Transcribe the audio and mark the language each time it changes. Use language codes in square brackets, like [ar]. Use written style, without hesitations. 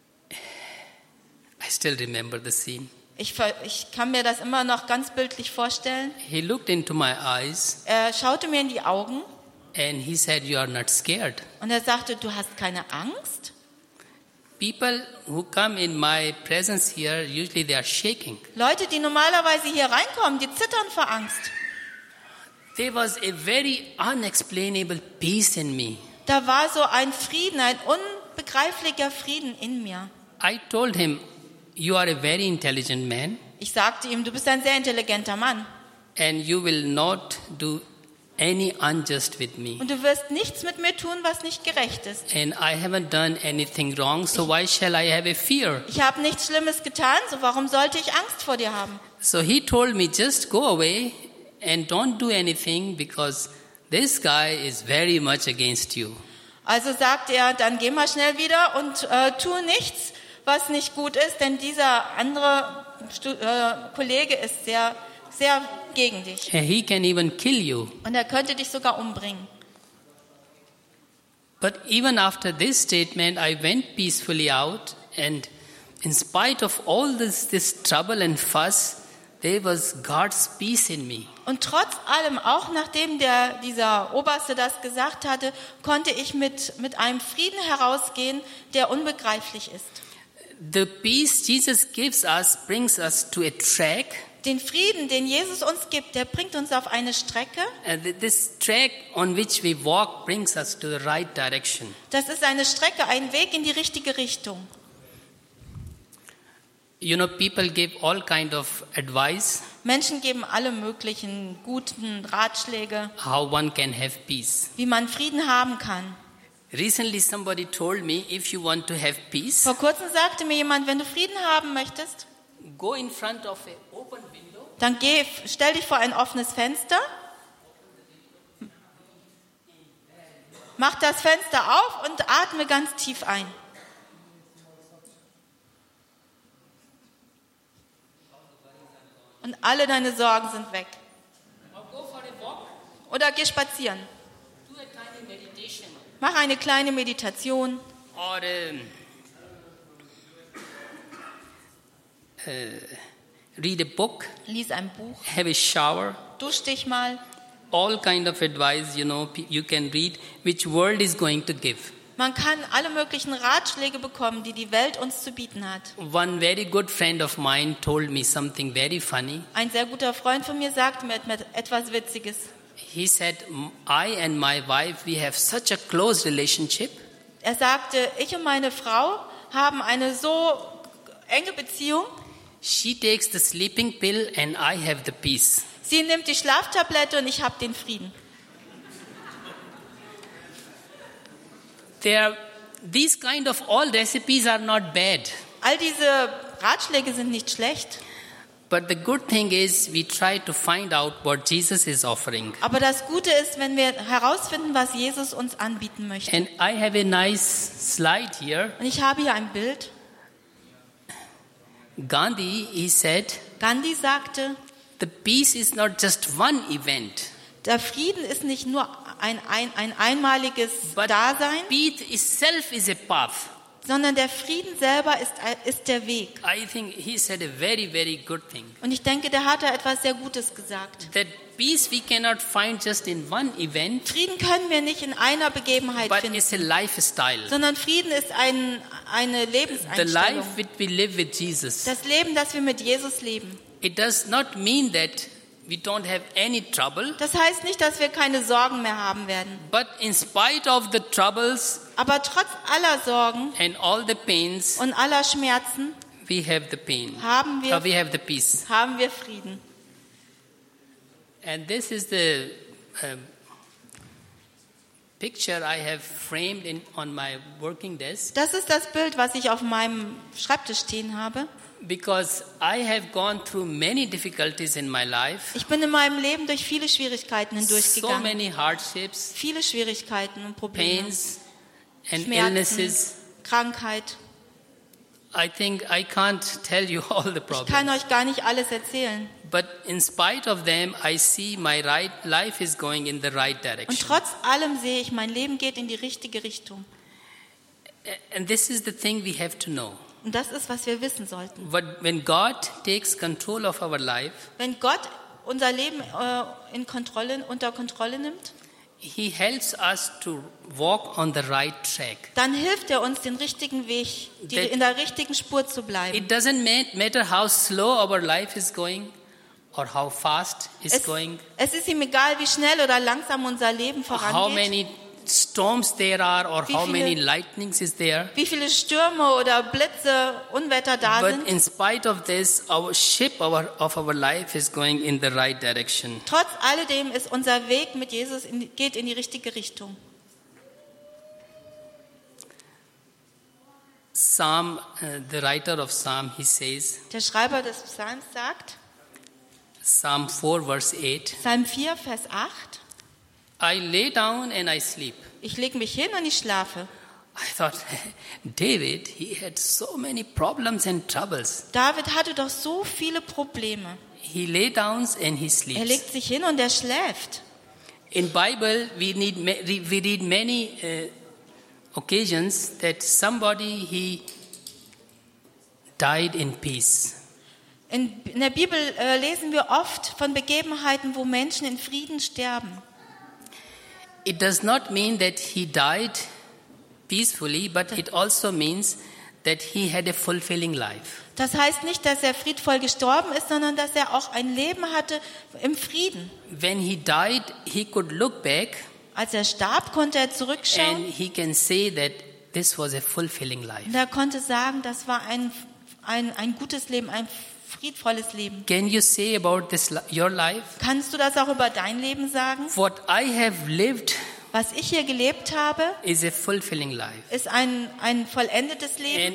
[en] I still remember the scene. [de] Ich kann mir das immer noch ganz bildlich vorstellen. [en] He looked into my eyes. [de] Er schaute mir in die Augen. [en] And he said, "You are not scared." [de] Und er sagte, du hast keine Angst. [en] People who come in my presence here, usually they are shaking. [de] Leute, die normalerweise hier reinkommen, die zittern vor Angst. [en] There was a very unexplainable peace in me. [de] Da war so ein Frieden, ein unbegreiflicher Frieden in mir. [en] I told him, "You are a very intelligent man." [de] Ich sagte ihm, du bist ein sehr intelligenter Mann. [en] And you will not do any unjust with me. [de] Und du wirst nichts mit mir tun, was nicht gerecht ist. [en] And I haven't done anything wrong, so why shall I have a fear? [de] Ich habe nichts Schlimmes getan, so warum sollte ich Angst vor dir haben? [en] So he told me, "Just go away. And don't do anything because this guy is very much against you." [de] Also sagt er, dann geh mal schnell wieder und tu nichts, was nicht gut ist, denn dieser andere Kollege ist sehr sehr gegen dich. [en] He can even kill you. [de] Und er könnte dich sogar umbringen. [en] But even after this statement, I went peacefully out, and in spite of all this trouble and fuss, there was God's peace in me. [de] Und trotz allem, auch nachdem dieser Oberste das gesagt hatte, konnte ich mit einem Frieden herausgehen, der unbegreiflich ist. [en] The peace Jesus gives us brings us to a track. [de] Den Frieden, den Jesus uns gibt, der bringt uns auf eine Strecke. [en] This track on which we walk brings us to the right direction. [de] Das ist eine Strecke, ein Weg in die richtige Richtung. [en] You know, people give all kind of advice. [de] Menschen geben alle möglichen guten Ratschläge. [en] How one can have peace. [de] Wie man Frieden haben kann. [en] Recently somebody told me, if you want to have peace. [de] Vor kurzem sagte mir jemand, wenn du Frieden haben möchtest, [en] go in front of an open window. [de] Dann geh, stell dich vor ein offenes Fenster. Mach das Fenster auf und atme ganz tief ein. Und alle deine Sorgen sind weg. Oder geh spazieren. Mach eine kleine Meditation. [en] Read a book. [de] Lies ein Buch. [en] Have a shower. [de] Dusch dich mal. [en] All kind of advice, you know, you can read, which world is going to give. [de] Man kann alle möglichen Ratschläge bekommen, die Welt uns zu bieten hat. [en] One very good friend of mine told me something very funny. [de] Ein sehr guter Freund von mir sagte mir etwas Witziges. [en] He said, I and my wife, we have such a close relationship. [de] Er sagte, ich und meine Frau haben eine so enge Beziehung. [en] She takes the sleeping pill and I have the peace. [de] Sie nimmt die Schlaftablette und ich habe den Frieden. [en] These kind of all recipes are not bad. [de] All diese Ratschläge sind nicht schlecht. [en] But the good thing is, we try to find out what Jesus is offering. [de] Aber das Gute ist, wenn wir herausfinden, was Jesus uns anbieten möchte. [en] And I have a nice slide here. [de] Und ich habe hier ein Bild. [en] Gandhi, he said. [de] Gandhi sagte. [en] The peace is not just one event. [de] Der Frieden ist nicht nur ein einmaliges [en] But [de] Dasein, [en] peace itself is a path. [de] Sondern der Frieden selber ist der Weg. [en] I think he said a very, very good thing. [de] Und ich denke, der hat da etwas sehr Gutes gesagt. [en] That peace we cannot find just in one event, [de] Frieden können wir nicht in einer Begebenheit [en] but [de] finden, [en] it's a lifestyle. [de] Sondern Frieden ist eine Lebenseinstellung. [en] The life that we live with Jesus. [de] Das Leben, das wir mit Jesus leben. [en] It does not mean that we don't have any trouble. [de] Das heißt nicht, dass wir keine Sorgen mehr haben werden. [en] But in spite of the troubles, [de] aber trotz aller Sorgen [en] and all the pains, [de] und aller Schmerzen, [en] we have the pain. [de] Haben wir, [en] we have the peace. [de] Haben wir Frieden. [en] And this is the picture I have framed on my working desk. [de] Das ist das Bild, was ich auf meinem Schreibtisch stehen habe. [en] Because I have gone through many difficulties in my life. [de] Ich bin in meinem Leben durch viele Schwierigkeiten hindurchgegangen. [en] So many hardships. [de] Viele Schwierigkeiten und Probleme. [en] Pains and illnesses. [de] Krankheit. [en] I think I can't tell you all the problems. [de] Ich kann euch gar nicht alles erzählen. [en] But in spite of them, I see my right life is going in the right direction. [de] Und trotz allem sehe ich, mein Leben geht in die richtige Richtung. [en] And this is the thing we have to know. [de] Und das ist, was wir wissen sollten. [en] When God takes control of our life, [de] wenn Gott unser Leben unter Kontrolle nimmt, [en] he helps us to walk on the right track. [de] Dann hilft er uns, den richtigen Weg, in der richtigen Spur zu bleiben. [en] It doesn't matter how slow our life is going or how fast it's going. [de] Es ist ihm egal, wie schnell oder langsam unser Leben vorangeht. [en] How many storms there are or how many lightnings is there. [de] Wie viele Stürme oder Blitze, Unwetter da [en] but [de] sind. [en] But in spite of this, our ship of our life is going in the right direction. [de] Trotz alledem ist unser Weg mit Jesus geht in die richtige Richtung. [en] Psalm, the writer of Psalm, he says. [de] Der Schreiber des Psalms sagt. [en] Psalm 4, verse 8. [de] Psalm 4, Vers 8. [en] I lay down and I sleep. [de] Ich lege mich hin und ich schlafe. [en] I thought, David, he had so many problems and troubles. [de] David hatte doch so viele Probleme. [en] he lay down and he sleeps. [de] Er legt sich hin und er schläft. [en] In Bible we read many occasions that somebody he died in peace. [de] In der Bibel lesen wir oft von Begebenheiten, wo Menschen in Frieden sterben. [en] It does not mean that he died peacefully, but it also means that he had a fulfilling life. [de] Das heißt nicht, dass er friedvoll gestorben ist, sondern dass er auch ein Leben hatte im Frieden. [en] When he died, he could look back. [de] Als er starb, konnte er zurückschauen. [en] And he can say that this was a fulfilling life. [de] Und er konnte sagen, das war ein gutes Leben, ein friedvolles Leben. [en] Can you say about this your life? [de] Kannst du das auch über dein Leben sagen? [en] What I have lived. [de] Was ich hier gelebt habe, [en] is a fulfilling life. [de] Ist ein vollendetes Leben.